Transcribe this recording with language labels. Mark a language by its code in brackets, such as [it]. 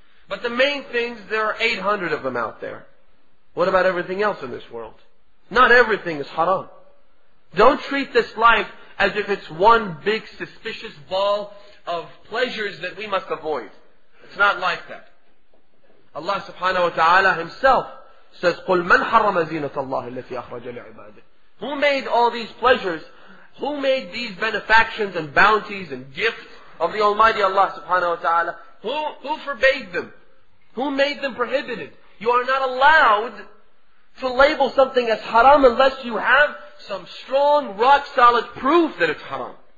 [en] But the main things, there are 800 of them out there. What about everything else in this world? Not everything is haram. Don't treat this life as if it's one big suspicious ball of pleasures that we must avoid. It's not like that. Allah subhanahu wa ta'ala himself [ar] says, قُلْ مَنْ حَرَّمَ زِينَةَ اللَّهِ الَّتِي أَخْرَجَ لِعِبَادِهِ. [en] Who made all these pleasures? Who made these benefactions and bounties and gifts of the Almighty Allah subhanahu wa ta'ala? Who forbade them? Who made them prohibited? You are not allowed to label something as haram unless you have some strong, rock-solid proof that it's haram.